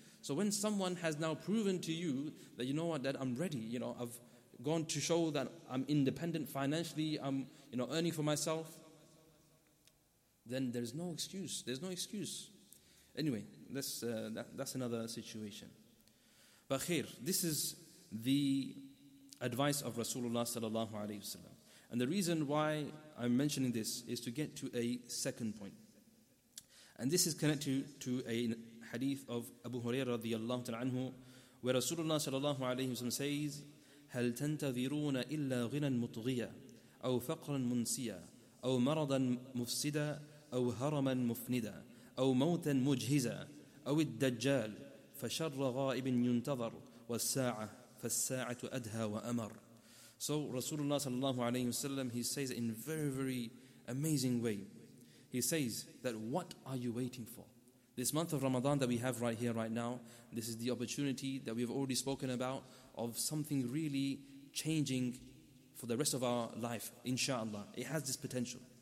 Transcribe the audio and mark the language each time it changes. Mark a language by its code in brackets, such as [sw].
[en] So when someone has now proven to you that, you know what, that I'm ready, you know, I've gone to show that I'm independent financially, I'm, you know, earning for myself, then there's no excuse. There's no excuse. Anyway, that's another situation. Bakhir, this is the advice of Rasulullah sallallahu alayhi wasallam. And the reason why I'm mentioning this is to get to a second point. And this is connected to a hadith of Abu Hurairah radiyallahu ta'ala anhu, where Rasulullah sallallahu alayhi wasallam says, [ar] هَلْ تَنْتَذِرُونَ إِلَّا غِنًا مُطْغِيًا أَوْ فَقْرًا مُنْسِيًا أَوْ مَرَضًا مُفْسِدًا أَوْ هَرَمًا مُفْنِدًا أَوْ مَوْتًا مُجْهِزًا أَوْ الدَّجَّالِ فَشَرَّ غَائِبٍ يُنْتَظَرُ وَالسَّاعَةُ فَالسَّاعَةُ أَدْهَى وَأَمَرُ. [en] So Rasulullah sallallahu alayhi wasallam, he says in very, very amazing way, he says that what are you waiting for? This month of Ramadan that we have right here, right now, this is the opportunity that we've already spoken about of something really changing for the rest of our life, inshallah. It has this potential.